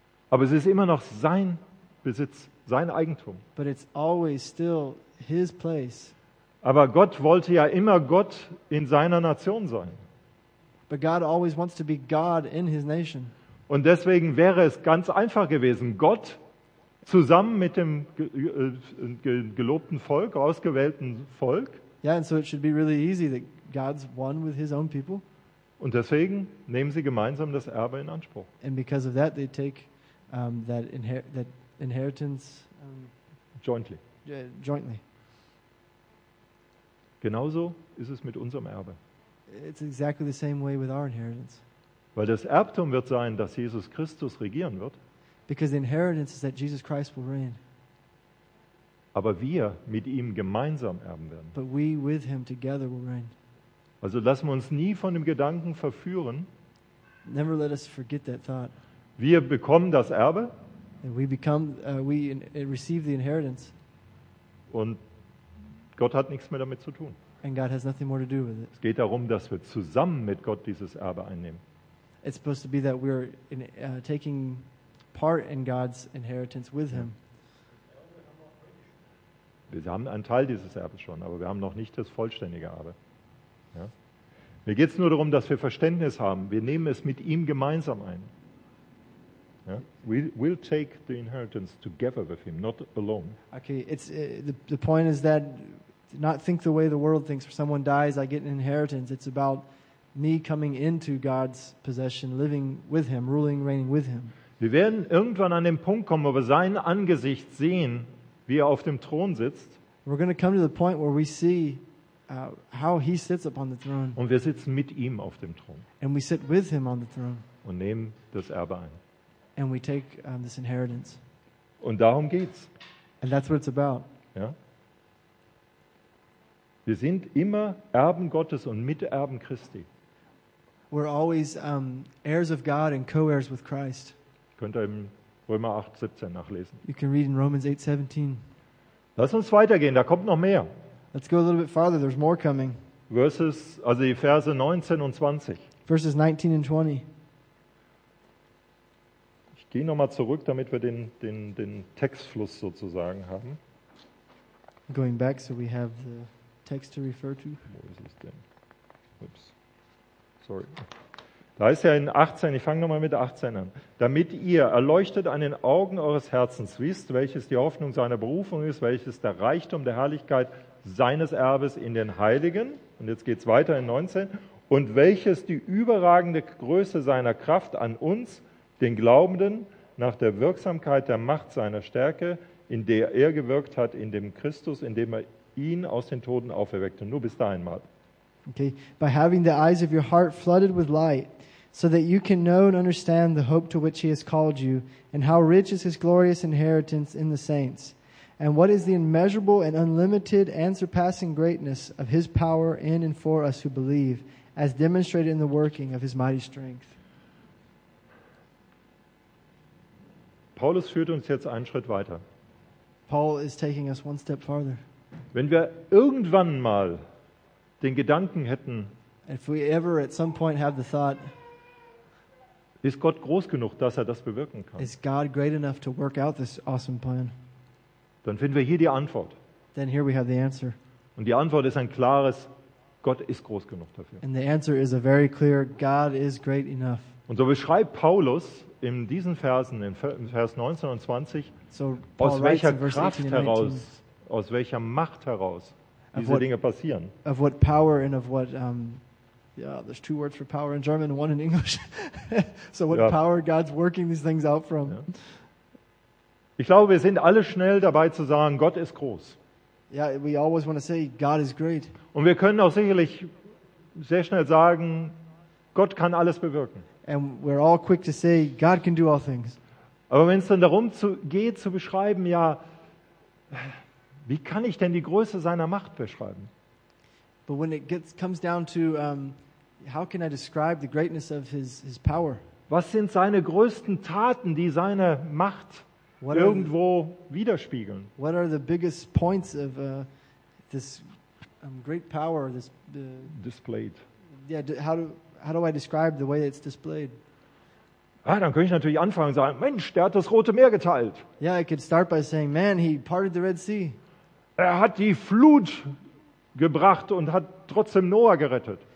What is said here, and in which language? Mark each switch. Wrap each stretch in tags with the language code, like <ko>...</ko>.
<de>Aber es ist immer noch sein Besitz, sein Eigentum.</de> <en>But it's always still His place.</en> <de>Aber Gott wollte ja immer Gott in seiner Nation sein.</de> <en>But God always wants to be God in His nation.</en> <de>Und deswegen wäre es ganz einfach gewesen, Gott zusammen mit dem gelobten Volk, ausgewählten Volk.</de> <en>Yeah, and so it should be really easy that God's one with His own people.</en> <de>Und deswegen nehmen sie gemeinsam das Erbe in Anspruch.</de> <en>And because of that they take that inheritance jointly.</en> <de>Genauso ist es mit unserem Erbe.</de> <en>It's exactly the same way with our inheritance.</en> <de>Weil das Erbtum wird sein, dass Jesus Christus regieren wird.</de> <en>Because the inheritance is that Jesus Christ will reign.</en> <de>Aber wir mit ihm gemeinsam erben werden.</de> <en>But we with him together will reign.</en> <de>Also lassen wir uns nie von dem Gedanken verführen.</de> <en>Never let us forget that thought.</en> <de>Wir bekommen das Erbe.</de> <en>And we become receive the inheritance.</en> <de>Und Gott hat nichts mehr damit zu tun.</de> <en>And God has nothing more to do with it.</en> <de>Es geht darum, dass wir zusammen mit Gott dieses Erbe einnehmen.</de> <en>It's supposed to be that we're taking part in God's inheritance with him.</en> <de>Wir haben einen Teil dieses Erbes schon, aber wir haben noch nicht das vollständige Erbe. Ja? Mir geht es nur darum, dass wir Verständnis haben. Wir nehmen es mit ihm gemeinsam ein.</de> <en>Yeah? We will take the inheritance together with him, not alone. Okay, the point is that not think the way the world thinks. If someone dies, I get an inheritance. It's about me coming into God's possession, living with him, ruling, reigning with him.</en> <de>Wir werden irgendwann an den Punkt kommen, wo wir sein Angesicht sehen, wie er auf dem Thron sitzt.</de> <en>We're going to come to the point where we see how he sits upon the throne.</en> <de>Und wir sitzen mit ihm auf dem Thron.</de> <en>And we sit with him on the throne.</en> <de>Und nehmen das Erbe ein.</de> <en>And we take this inheritance.</en> <de>Und darum geht's.</de> <en>And that's what it's about.</en> <de>Ja? Wir sind immer Erben Gottes und Miterben Christi.</de> <en>We're always heirs of God and co-heirs with Christ.</en> <de>Könnt ihr im Römer 8, 17 nachlesen.</de> <en>You can read in Romans 8, 17.</en> <de>Lass uns weitergehen, da kommt noch mehr.</de> <en>Let's go a little bit farther, there's more coming. Verses,</en> <de>also die Verse 19 und 20.</de> <en>Verses 19 and 20.</en> <de>Ich gehe nochmal zurück, damit wir den Textfluss sozusagen haben.</de> <en>Going back, so we have the text to refer to.</en> <de>Wo ist es denn? Ups. Sorry. Da ist ja in 18, ich fange nochmal mit 18 an. Damit ihr erleuchtet an den Augen eures Herzens wisst, welches die Hoffnung seiner Berufung ist, welches der Reichtum der Herrlichkeit seines Erbes in den Heiligen, und jetzt geht's weiter in 19, und welches die überragende Größe seiner Kraft an uns, den Glaubenden, nach der Wirksamkeit der Macht seiner Stärke, in der er gewirkt hat in dem Christus, indem er ihn aus den Toten auferweckte. Nur bis dahin mal.</de> <en>Okay, by having the eyes of your heart flooded with light, so that you can know and understand the hope to which he has called you, and how rich is his glorious inheritance in the saints, and what is the immeasurable and unlimited and surpassing greatness of his power in and for us who believe, as demonstrated in the working of his mighty strength.</en> <de>Paulus führt uns jetzt einen Schritt weiter.</de> <en>Paul is taking us one step farther.</en> <de>Wenn wir irgendwann mal den Gedanken hätten,</de> <en>if we ever at some point have the thought,</en> <de>ist Gott groß genug, dass er das bewirken kann?</de> <en>Is God great enough to work out this awesome plan?</en> <de>Dann finden wir hier die Antwort.</de> <en>Then here we have the answer.</en> <de>Und die Antwort ist ein klares, Gott ist groß genug dafür.</de> <en>And the answer is a very clear, God is great enough.</en> <de>Und so beschreibt Paulus in diesen Versen, in Vers 19 und 20,</de> <en>so</en> <de>aus welcher Kraft heraus, aus welcher Macht heraus, diese Dinge passieren.</de> <en>Of what power and of what, there's two words for power in German, one in English. So what power God's working these things out from.</en> <de>Ja. Ich glaube, wir sind alle schnell dabei zu sagen, Gott ist groß.</de> <en>Yeah, we always want to say, God is great.</en> <de>Und wir können auch sicherlich sehr schnell sagen, Gott kann alles bewirken.</de> <en>And we're all quick to say, God can do all things.</en> <de>Aber wenn es dann darum geht zu beschreiben, ja, wie kann ich denn die Größe seiner Macht beschreiben?</de> <en>But when it gets, comes down to how can I describe the greatness of his power?</en> <de>Was sind seine größten Taten, die seine Macht irgendwo widerspiegeln?</de> <en>What are the biggest points of this great power this displayed? Yeah, how do I describe the way it's displayed?</en> <de>Ah, dann könnte ich natürlich anfangen und sagen, Mensch, der hat das Rote Meer geteilt.</de> <en>Yeah, I could start by saying, man, he parted the Red Sea.</en> <de>Er hat die Flut gebracht und hat trotzdem Noah gerettet.</de>